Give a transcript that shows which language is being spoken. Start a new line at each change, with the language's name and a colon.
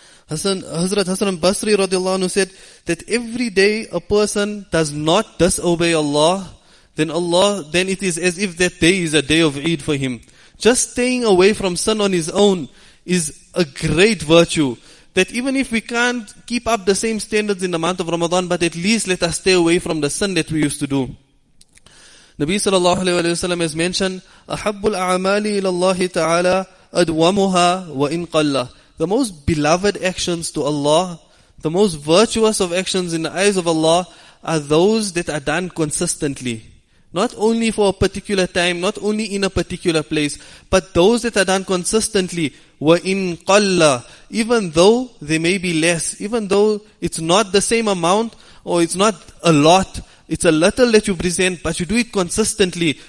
English: Hazrat Hasan Basri radiallahu anhu said that every day a person does not disobey Allah, then it is as if that day is a day of Eid for him. Just staying away from sin on his own is a great virtue. That even if we can't keep up the same standards in the month of Ramadan, but at least let us stay away from the sin that we used to do. Nabi sallallahu alayhi wa sallam has mentioned,
Arabic: أَحَبُّ الْأَعْمَالِ إِلَى اللَّهِ تَعَالَى أَدْوَمُهَا وَإِنْ قَلَّهِ.
English: The most beloved actions to Allah, the most virtuous of actions in the eyes of Allah, are those that are done consistently. Not only for a particular time, not only in a particular place, but those that are done consistently,
Arabic: وَإِنْ قَلَّ,
English: even though they may be less, even though it's not the same amount, or it's not a lot, it's a little that you present, but you do it consistently.